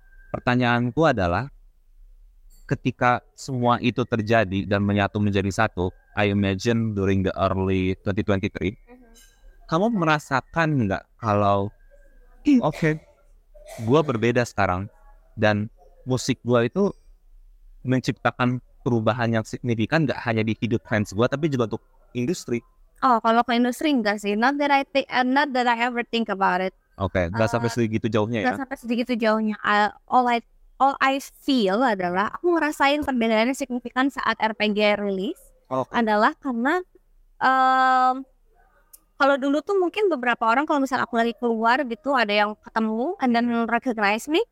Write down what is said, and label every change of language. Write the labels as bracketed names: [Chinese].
[Indonesian] Pertanyaanku adalah, ketika semua itu terjadi dan menyatu menjadi satu, [English] I imagine during the early 2023, [Indonesian] kamu merasakan nggak kalau, okay, gue berbeda sekarang, dan musik gue itu menciptakan perubahan yang signifikan nggak hanya di hidup fans gue, tapi juga untuk industri. Oh, kalau ke industri enggak sih. [English] Not that I ever think about it. [Indonesian] Okay, nggak sampai segitu jauhnya ya? Nggak sampai segitu jauhnya. [English] All I feel [Indonesian] adalah aku ngerasain perbedaannya signifikan saat RPG rilis. Okay. Adalah karena kalau dulu tuh mungkin beberapa orang kalau misalnya aku lagi keluar gitu ada yang ketemu [English] and then recognize me,